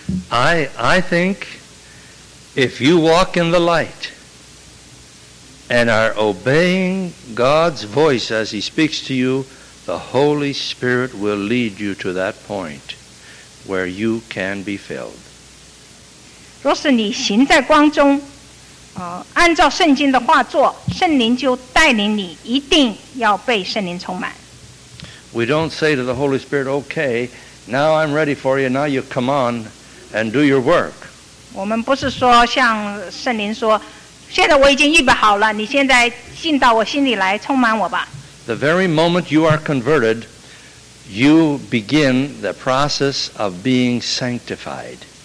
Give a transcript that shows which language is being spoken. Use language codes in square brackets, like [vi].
[en] I think if you walk in the light and are obeying God's voice as he speaks to you the Holy Spirit will lead you to that point where you can be filled. [zh] 若是你行在光中, 按照圣经的话做, 圣灵就带领你, 一定要被圣灵充满。 [en] We don't say to the Holy Spirit, okay, now I'm ready for you, now you come on and do your work. [zh] 我们不是说像圣灵说, 现在我已经预备好了, 你现在进到我心里来, 充满我吧。 [en] The very moment you are converted, you begin the process of being sanctified.